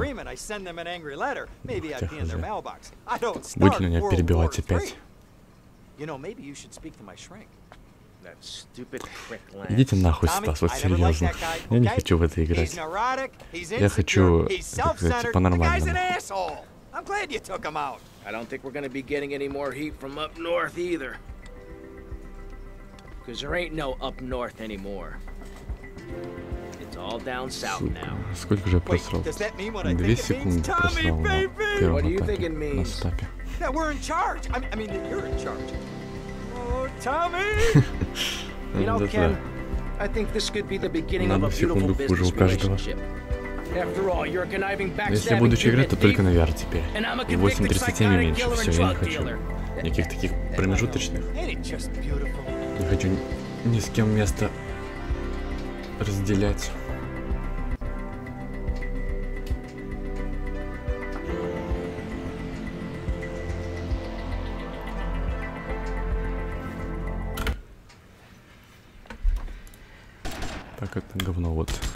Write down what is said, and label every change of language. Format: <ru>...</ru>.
<ru>Будет ли меня перебивать опять?</ru> <en>You know, maybe you should speak to my shrink.</en> <ru>Идите нахуй, Стас, вот серьезно. Я не хочу в это играть. Я хочу играть по-нормальному.</ru> <en>I don't think we're gonna be getting any more heat from up north either. Cause there ain't no up north anymore. It's all down south now.</en> <ru>Сколько же я просрал? 2 секунды просрал на первом этапе, на стапе.</ru> <en>That we're in charge. I mean, you're in charge. Oh, Tommy! You know, Ken, I think this could be the beginning of a beautiful business relationship. After all, you're a conniving backstabbing unit thief, and I'm a convicted psychotic killer and drug dealer.</en> <ru>Никаких таких промежуточных. Не хочу ни с кем место разделять. Так, это говно вот.</ru>